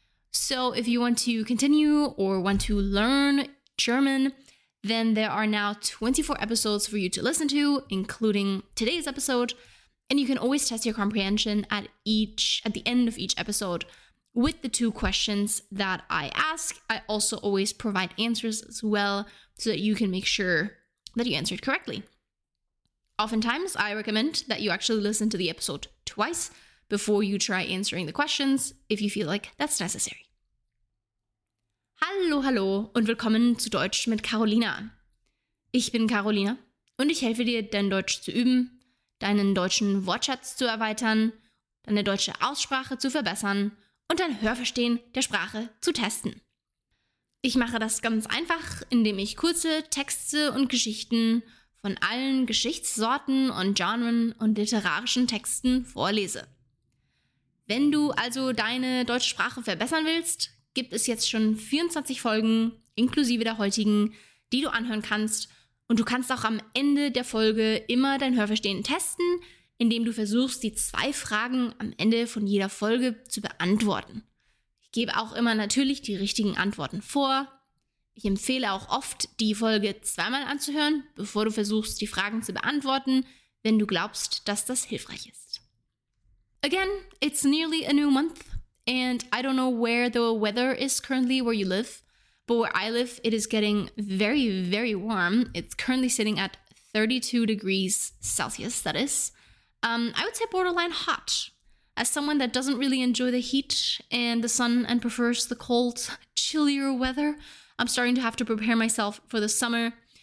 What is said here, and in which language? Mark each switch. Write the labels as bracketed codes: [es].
[en] So if you want to continue or want to learn German, then there are now 24 episodes for you to listen to, including today's episode, and you can always test your comprehension at the end of each episode with the two questions that I ask. I also always provide answers as well so that you can make sure that you answered correctly. Oftentimes, I recommend that you actually listen to the episode twice before you try answering the questions if you feel like that's necessary. [de] Hallo, hallo und willkommen zu Deutsch mit Carolina. Ich bin Carolina und ich helfe dir, dein Deutsch zu üben, deinen deutschen Wortschatz zu erweitern, deine deutsche Aussprache zu verbessern und dein Hörverstehen der Sprache zu testen. Ich mache das ganz einfach, indem ich kurze Texte und Geschichten von allen Geschichtssorten und Genren und literarischen Texten vorlese. Wenn du also deine deutsche Sprache verbessern willst, gibt es jetzt schon 24 Folgen, inklusive der heutigen, die du anhören kannst. Und du kannst auch am Ende der Folge immer dein Hörverstehen testen, indem du versuchst, die zwei Fragen am Ende von jeder Folge zu beantworten. Ich gebe auch immer natürlich die richtigen Antworten vor. Ich empfehle auch oft, die Folge zweimal anzuhören, bevor du versuchst, die Fragen zu beantworten, wenn du glaubst, dass das hilfreich ist. [en] Again, it's nearly a new month. And I don't know where the weather is currently where you live, but where I live, it is getting very, very warm. It's currently sitting at 32 degrees Celsius, that is. I would say borderline hot. As someone that doesn't really enjoy the heat and the sun and prefers the cold, chillier weather, I'm starting to have to prepare myself for the summer.